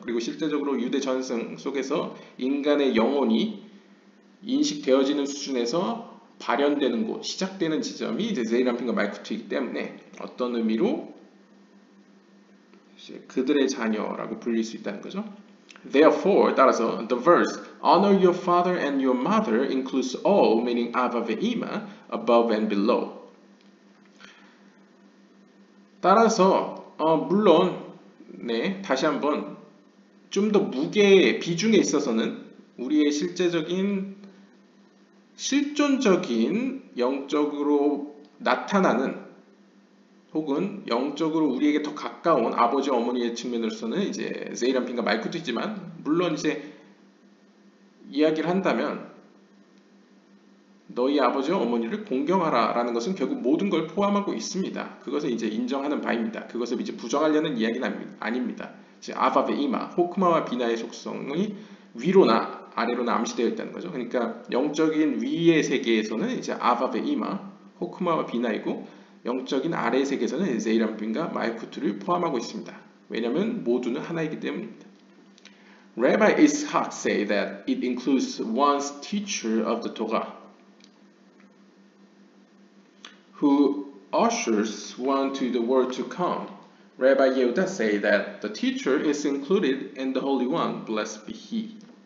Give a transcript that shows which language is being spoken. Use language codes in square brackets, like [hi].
[ko] 그리고 실제적으로 유대 전승 속에서 인간의 영혼이 인식되어지는 수준에서 발현되는 곳, 시작되는 지점이 이제 제이람핀과 말쿠트이기 때문에 어떤 의미로 이제 그들의 자녀라고 불릴 수 있다는 거죠. [en] Therefore, [ko] 따라서 [en] the verse Honor your father and your mother includes all, meaning Abba ve'ima, above and below. [ko] 따라서 물론 네 다시 한번 좀 더 무게의 비중에 있어서는 우리의 실제적인 실존적인 영적으로 나타나는 혹은 영적으로 우리에게 더 가까운 아버지 어머니의 측면으로서는 이제 제이람핀과 말쿠트이지만 물론 이제 이야기를 한다면 너희 아버지와 어머니를 공경하라 라는 것은 결국 모든 걸 포함하고 있습니다. 그것을 이제 인정하는 바입니다. 그것을 이제 부정하려는 이야기는 아닙니다. 이제 아바베 이마, 호크마와 비나의 속성이 위로나 아래로나 암시되어 있다는 거죠. 그러니까 영적인 위의 세계에서는 이제 아바베 이마, 호크마와 비나이고 영적인 아래의 세계에서는 제이람핀과 마이쿠트를 포함하고 있습니다. 왜냐하면 모두는 하나이기 때문입니다. [en] Rabbi Ishaq say that it includes one's teacher of the Torah. Who ushers one to the world to come. Rabbi Yehuda say that the teacher is included in the Holy One, blessed be he.